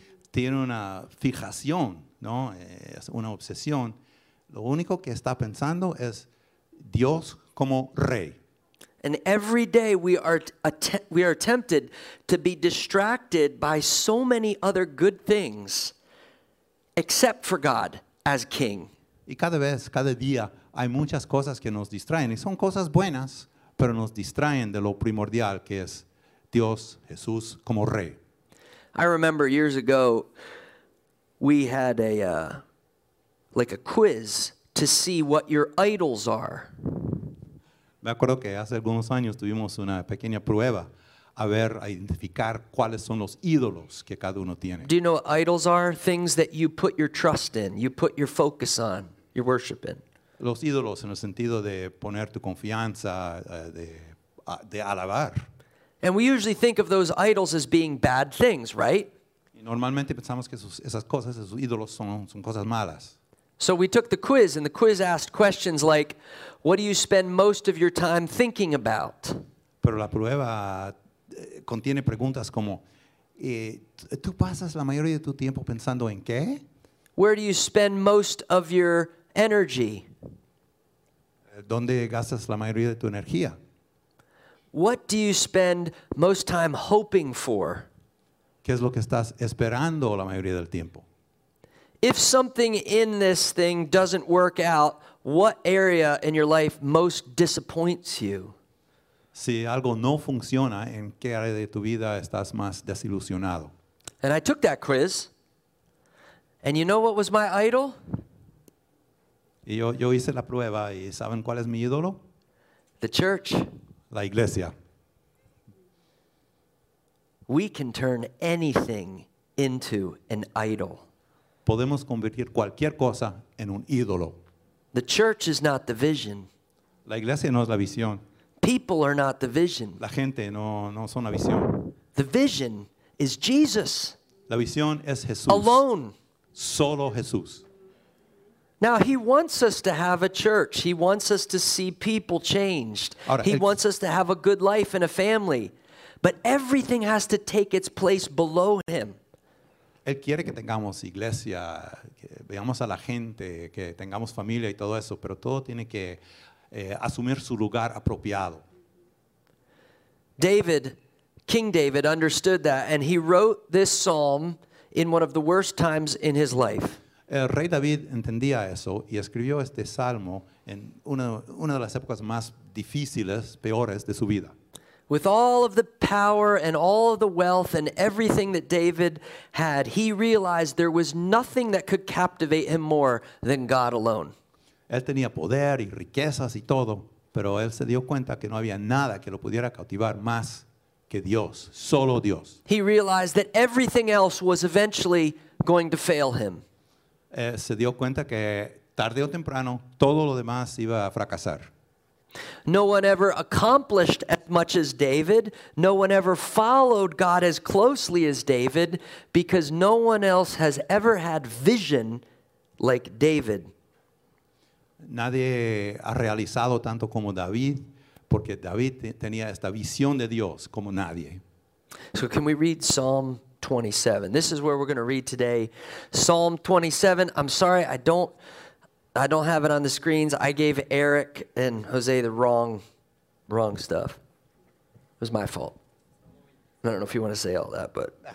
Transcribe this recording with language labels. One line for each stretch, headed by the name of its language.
Spanish: Tiene una fijación, ¿no? Es una obsesión. Lo único que está pensando es Dios como rey.
English: And every day we are tempted to be distracted by so many other good things except for God as king.
Spanish: Y cada día hay muchas cosas que nos distraen y son cosas buenas, pero nos distraen de lo primordial que es Dios, Jesús, como rey.
English: I remember years ago, we had a quiz to see what your idols are.
Spanish: Me acuerdo que hace algunos años tuvimos una pequeña prueba a identificar cuáles son los ídolos que cada uno tiene.
English: Do you know what idols are? Things that you put your trust in, you put your focus on, your worship in.
Spanish: Los ídolos en el sentido de poner tu confianza, de alabar.
English: And we usually think of those idols as being bad things, right?
Spanish: Normalmente pensamos que esas cosas, esos ídolos son cosas malas.
English: So we took the quiz, and the quiz asked questions like, what do you spend most of your time thinking about?
Spanish: Pero la prueba contiene preguntas como, ¿Tú pasas la mayoría de tu tiempo pensando en qué?
English: Where do you spend most of your energy?
Spanish: ¿Dónde gastas la mayoría de tu energía?
English: What do you spend most time hoping for?
Spanish: ¿Qué es lo que estás esperando la mayoría del tiempo?
English: If something in this thing doesn't work out, what area in your life most disappoints you?
Spanish: Si algo no funciona, ¿en qué área de tu vida estás más desilusionado?
English: And I took that quiz. And you know what was my idol?
Spanish: Y yo hice la prueba, ¿y saben cuál es mi ídolo?
English: The church.
Spanish: La iglesia.
English: We can turn anything into an idol.
Spanish: Podemos convertir cualquier cosa en un ídolo.
English: The church is not the vision.
Spanish: La iglesia no es la visión.
English: People are not the vision.
Spanish: La gente no son la visión.
English: The vision is Jesus.
Spanish: La visión es Jesús.
English: Alone.
Spanish: Solo Jesús.
English: Now he wants us to have a church. He wants us to see people changed.
Spanish: Ahora,
English: he wants us to have a good life and a family. But everything has to take its place below him.
Spanish: Él quiere que tengamos iglesia, que veamos a la gente, que tengamos familia y todo eso, pero todo tiene que asumir su lugar apropiado.
English: David, King David, understood that, and he wrote this psalm in one of the worst times in his life.
Spanish: El rey David entendía eso y escribió este salmo en una de las épocas más difíciles, peores de su vida.
English: With all of the power and all of the wealth and everything that David had, he realized there was nothing that could captivate him more than God alone.
Spanish: Él tenía poder y riquezas y todo, pero él se dio cuenta que no había nada que lo pudiera cautivar más que Dios, solo Dios.
English: He realized that everything else was eventually going to fail him.
Spanish: Se dio cuenta que tarde o temprano todo lo demás iba a fracasar.
English: No one ever accomplished as much as David. No one ever followed God as closely as David, because no one else has ever had vision like David.
Spanish: Nadie ha realizado tanto como David, porque David tenía esta visión de Dios como nadie.
English: So can we read Psalm 27? This is where we're going to read today. Psalm 27. I'm sorry, I don't have it on the screens. I gave Eric and Jose the wrong stuff. It was my fault. I don't know if you want to say all that, but